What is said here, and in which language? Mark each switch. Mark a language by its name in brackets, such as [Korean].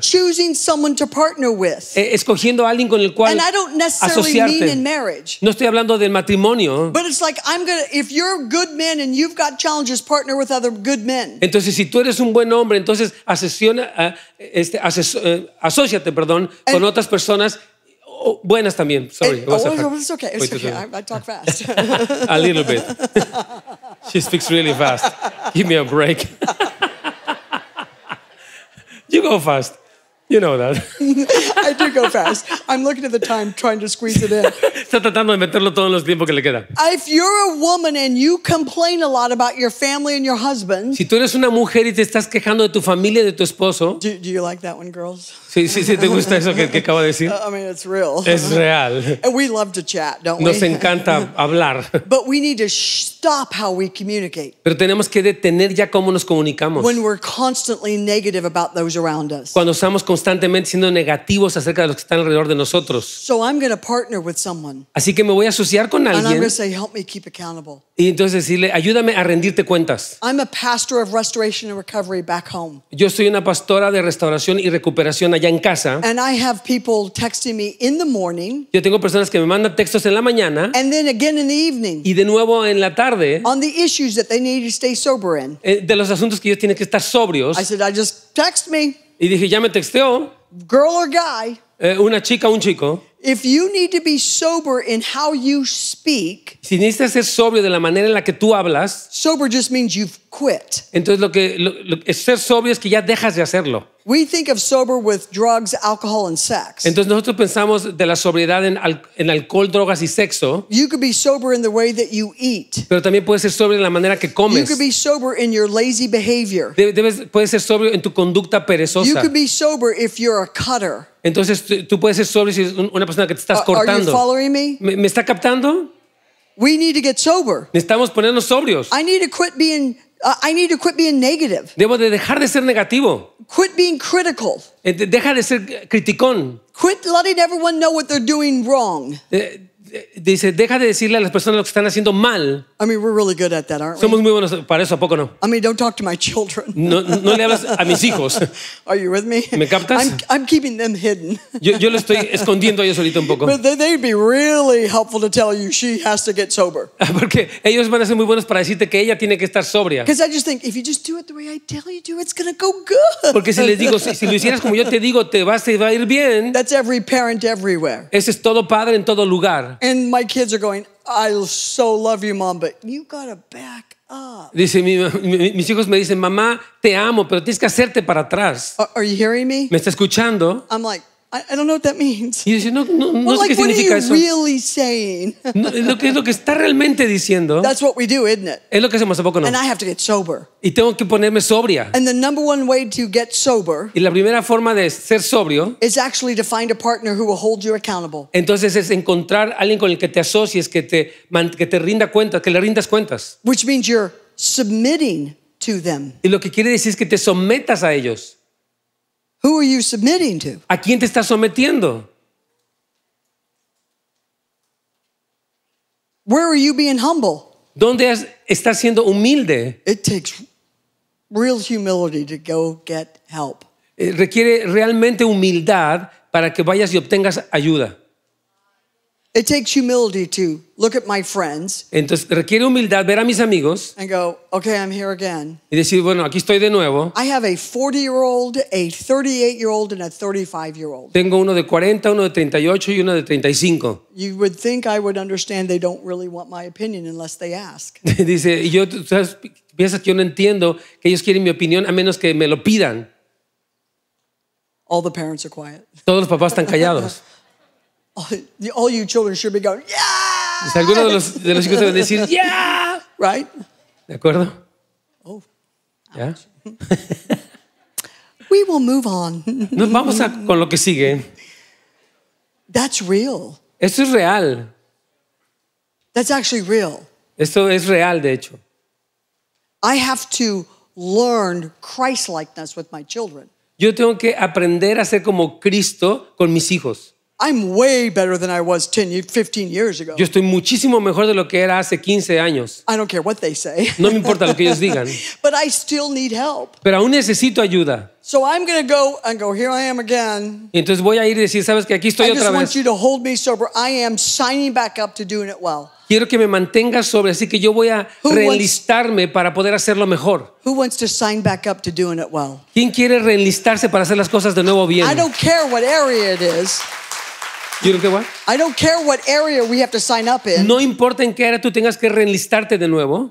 [English] Choosing someone to partner with. [Spanish] Escogiendo a alguien con el cual asociarte. [English] And I don't necessarily mean in marriage. [Spanish] No estoy hablando del matrimonio. [English] But it's like I'm gonna, if you're a good man and you've got challenges, partner with other good men. [Spanish] Entonces si tú eres un buen hombre, entonces asóciate con otras personas buenas también. [English] It's okay. I talk fast. A little bit. She speaks really fast. Give me a break. You go fast. You know that. I do go fast. I'm looking at the time trying to squeeze it in. [Spanish] Está tratando de meterlo todo en los tiempos que le quedan. [English] If you're a woman and you complain a lot about your family and your husband. [Spanish] Si tú eres una mujer y te estás quejando de tu familia y de tu esposo. [English] Do you like that one, girls? [Spanish] Sí, sí, sí, ¿te gusta eso que acabo de decir? [English] I mean, it's real. [Spanish] Es real. [English] And we love to chat, don't we? [Spanish] Nos encanta hablar. [English] But we need to stop how we communicate. [Spanish] Pero tenemos que detener ya cómo nos comunicamos. [English] When we're constantly negative about those around us. [Spanish] Cuando estamos constantemente siendo negativos acerca de los que están alrededor de nosotros. [English] So I'm going to partner with someone. [Spanish] Así que me voy a asociar con alguien. [English] And I'm going to say, help me keep accountable. [Spanish] Y entonces decirle, ayúdame a rendirte cuentas. [English] I'm a pastor of restoration and recovery back home. [Spanish] Yo soy una pastora de restauración y recuperación allá en casa. [English] And I have people texting me in the morning. [Spanish] Yo tengo personas que me mandan textos en la mañana. [English] And then again in the evening. [Spanish] Y de nuevo en la tarde. [English] On the issues that they need to stay sober in. [Spanish] De los asuntos que ellos tienen que estar sobrios. [English] I said, I just text me. [Spanish] Y dije, ya me texteó. [English] Girl or guy. [Spanish] Una chica o un chico. [English] If you need to be sober in how you speak. [Spanish] Si necesitas ser sobrio de la manera en la que tú hablas. [English] Sober just means you've quit. [Spanish] Entonces ser sobrio es que ya dejas de hacerlo. [English] We think of sober with drugs, alcohol, and sex. [Spanish] Entonces nosotros pensamos de la sobriedad en alcohol, drogas y sexo. [English] You could be sober in the way that you eat. [Spanish] Pero también puedes ser sobrio en la manera que comes. [English] You could be sober in your lazy behavior. [Spanish] Puedes ser sobrio en tu conducta perezosa. [English] You could be sober if you're a cutter. [Spanish] Entonces tú puedes ser sobrio si es una persona que te estás cortando. [English] Are you following me? [Spanish] ¿Me está captando? [English] We need to get sober. [Spanish] Necesitamos ponernos sobrios. [English] I need to quit being negative. [Spanish] Debo de dejar de ser negativo. [English] Quit being critical. [Spanish] Deja de ser criticón. [English] Quit letting everyone know what they're doing wrong. [Spanish] Dice, deja de decirle a las personas lo que están haciendo mal. [English] I mean, we're really good at that, aren't we? [Spanish] Somos muy buenos para eso, ¿a poco no? [English] I mean, don't talk to my children. [Spanish] No le hablas a mis hijos. [English] Are you with me? [Spanish] ¿Me captas? [English] I'm keeping them hidden. [Spanish] Yo lo estoy escondiendo a ellos ahorita un poco. [English] But they'd be really helpful to tell you she has to get sober. [Spanish] Porque ellos van a ser muy buenos para decirte que ella tiene que estar sobria. [English] Because I just think, if you just do it the way I tell you to, it's going to go good. [Spanish] Porque si les digo, si lo hicieras como yo te digo, te va a ir bien. [English] That's every parent everywhere. [Spanish] Ese es todo padre en todo lugar. [English] And my kids are going, I so love you, mom, but you gotta back up. [Spanish] Dice, mis hijos me dicen, mamá, te amo, pero tienes que hacerte para atrás. [English] Are you hearing me? [Spanish] ¿Me está escuchando? [English] I'm like, I don't know what that means. [Spanish] Y dice, no [English] well, [Spanish] sé qué significa eso. [English] What are you really saying? [Spanish] lo que está realmente diciendo. [English] That's what we do, isn't it? [Spanish] Es lo que hacemos, ¿a poco no? [English] And I have to get sober. [Spanish] Y tengo que ponerme sobria. [English] And the number one way to get sober. [Spanish] Y la primera forma de ser sobrio. [English] Is actually to find a partner who will hold you accountable. [Spanish] Entonces es encontrar alguien con el que te asocies, que le rindas cuentas. [English] Which means you're submitting to them. [Spanish] Y lo que quiere decir es que te sometas a ellos. [English] Who are you submitting to? [Spanish] ¿A quién te estás sometiendo? [English] Where are you being humble? [Spanish] ¿Dónde estás siendo humilde? [English] It takes real humility to go get help. [Spanish] Requiere realmente humildad para que vayas y obtengas ayuda. [English] It takes humility to look at my friends. [Spanish] Entonces requiere humildad ver a mis amigos. [English] And go, okay, I'm here again. [Spanish] Y decir, bueno, aquí estoy de nuevo. [English] I have a 40-year-old, a 38-year-old, and a 35-year-old. [Spanish] Tengo uno de 40, uno de 38 y uno de 35. [English] You would think I would understand they don't really want my opinion unless they ask. [Spanish] Dice, yo, ¿sabes? Piensas que yo no entiendo que ellos quieren mi opinión a menos que me lo pidan. [English] All the parents are quiet. [Spanish] Todos los papás están callados. [English] All you children should be going, yeah! [Spanish] Si alguno de los hijos deben decir, [English] yeah! Right? [Spanish] ¿De acuerdo? Oh. [English] Yeah. We will move on. [Spanish] Nos vamos a con lo que sigue. [English] That's real. [Spanish] Esto es real. [English] That's actually real. [Spanish] Esto es real, de hecho. [English] I have to learn Christ-likeness with my children. [Spanish] Yo tengo que aprender a ser como Cristo con mis hijos. [English] I'm way better than I was 10, 15 years ago. [Spanish] Yo estoy muchísimo mejor de lo que era hace 15 años. [English] I don't care what they say. [Spanish] No me importa lo que ellos digan. [English] But I still need help. [Spanish] Pero aún necesito ayuda. [English] So I'm going to go and go, here I am again. [Spanish] Y entonces voy a ir y decir, sabes que aquí estoy otra vez. [English] I just want you to hold me sober. I am signing back up to doing it well. [Spanish] Quiero que me mantengas sobre, así que yo voy a reenlistarme para poder hacerlo mejor. [English] Who wants to sign back up to doing it well? [Spanish] ¿Quién quiere reenlistarse para hacer las cosas de nuevo bien? [English] I don't care what area it is. You don't care what? I don't care what area we have to sign up in. [Spanish] No importa en qué área tú tengas que reenlistarte de nuevo.